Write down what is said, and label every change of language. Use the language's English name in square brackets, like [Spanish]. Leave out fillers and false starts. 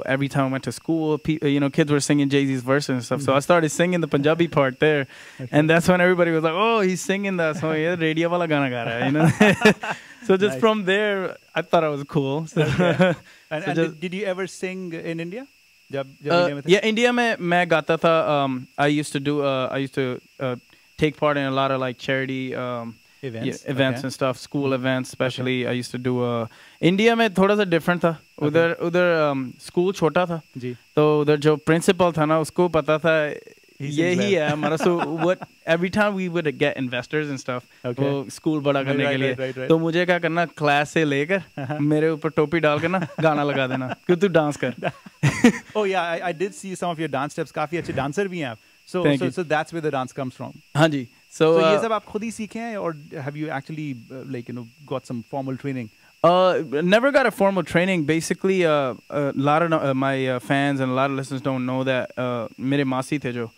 [English] Every time I went to school, kids were singing Jay-Z's verses and stuff. Mm-hmm. So I started singing the Punjabi part there, and that's when everybody was like, "Oh, he's singing that song. Yeah, [Hindi] radio wala gana ga raha." [English] You know. So just from there, I thought I was cool. So okay. And did you ever sing in India? [Hindi] India में मैं गाता था. [English] I used to take part in a lot of like charity events and stuff, school events especially. Okay. I used to do India [Hindi] में थोड़ा सा [English] different था. [Hindi] उधर school छोटा था. Ji. तो उधर जो प्रिंसिपल था ना उसको पता था ये ही है हमारा. [English] So what every time we would get investors and stuff, okay. Wo [Hindi] school बड़ा करने के लिए, तो मुझे क्या करना, क्लास से लेकर मेरे ऊपर टोपी डाल के ना गाना लगा देना कि तू डांस कर. [English] Oh yeah, I did see some of your dance steps. [Hindi] Kafi acche dancer bhi hain. [English] So Thank you. So that's where the dance comes from. [Hindi] Haan ji. So ye sab aap khud hi seekhe hain, [English] or have you actually got some formal training? Never got a formal training. Basically, a lot of my fans and a lot of listeners don't know that [Hindi] mere masi the jo,